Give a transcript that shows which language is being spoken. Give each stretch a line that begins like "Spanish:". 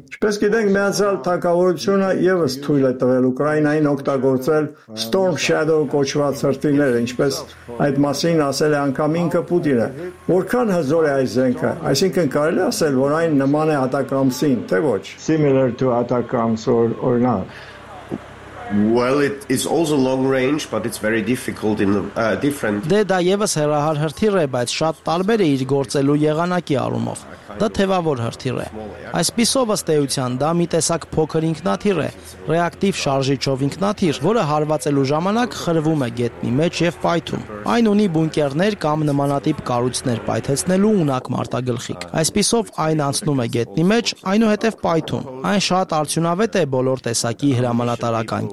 Armenian: Չպես գիտենք, Միացյալ Թագավորությունը եւս թույլ է տվել Ուկրաինային օգտագործել Storm Shadow կոչված հրթիռները, ինչպես այդ մասին ասել է անգամ ինքը Պուտինը։ Որքան հզոր է այս զենքը, այսինքն կարելի ասել, որ այն նման է Ատակամսին, թե ոչ։
English: Similar to Atacams or not? Well, it is also long range, but it's very difficult in the different
Armenian: Դե դա եւս հեռահար հրթիռ է, բայց շատ տարբեր է իր գործելու եղանակի առումով։ Դա թևավոր հրթիռ է։ Այսպիսով ըստ էության, դա մի տեսակ փոքր ինքնաթիռ է, ռեակտիվ շարժիչով ինքնաթիռ, որը հարվածելու ժամանակ խրվում է գետնի մեջ եւ պայթում։ Այն ունի բունկերներ կամ նմանատիպ կառույցներ պայթեցնելու ունակ մարտագլխիկ։ Այսպիսով այն անցնում է գետնի մեջ, այնուհետեւ պայթում։ Այն շատ արդյունավետ է բոլոր տեսակի հրամանատարական